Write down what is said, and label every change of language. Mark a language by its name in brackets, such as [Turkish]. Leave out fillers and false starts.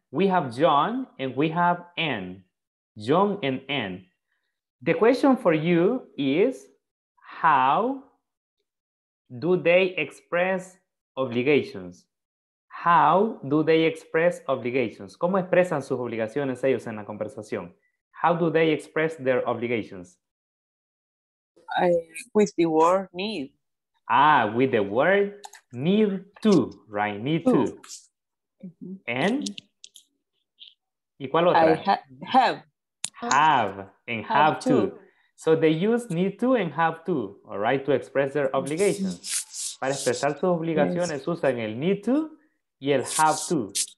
[English] We have John and we have Anne. John and Anne. The question for you is, how do they express obligations? How do they express obligations? [Spanish] ¿Cómo expresan sus obligaciones ellos en la conversación? [English] How do they express their obligations? With the word need. Ah, with the word need to, right? Need to. Mm-hmm. And? [Spanish] ¿Y cuál otra? [English] Have to. So they use need to and have to, all right, to express their obligations. [Spanish] Para expresar sus obligaciones, yes, usan el need to y el have to.